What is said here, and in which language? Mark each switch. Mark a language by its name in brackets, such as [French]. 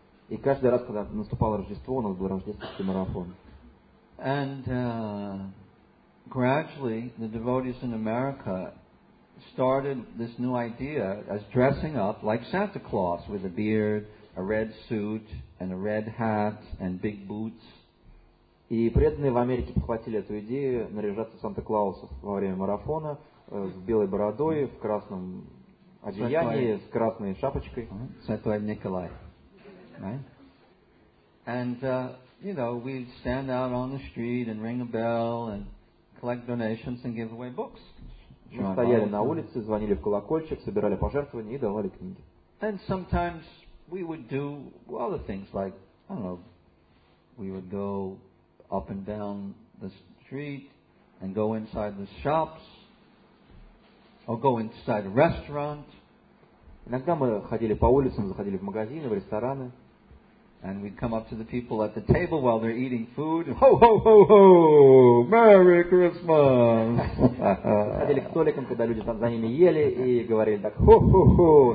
[Russian] И каждый раз, когда наступало Рождество, у нас был рождественский марафон. [English] And gradually, the devotees in America started this new idea as dressing up like Santa Claus with a beard, a red suit, and a red hat, and big boots. [Russian] И преданные в Америке подхватили эту идею наряжаться в Санта-Клауса во время марафона с белой бородой, в красном одеяние с красной шапочкой. Святой Николай. [English] And, you know, we stand out on the street and ring a bell and collect donations and give away books. [Russian] Мы стояли на улице, звонили в колокольчик, собирали пожертвования и давали книги. [English] And sometimes we would do other things like, I don't know, we would go up and down the street and go inside the shops. Or go inside a restaurant. [Russian] Иногда мы ходили по улицам, заходили в магазины, в рестораны. [English] And we'd come up to the people at the table while they're eating food. Ho, ho, ho, ho! Merry Christmas! [Russian] Ходили к столикам, когда люди там за ними ели и говорили так, ho, ho, ho!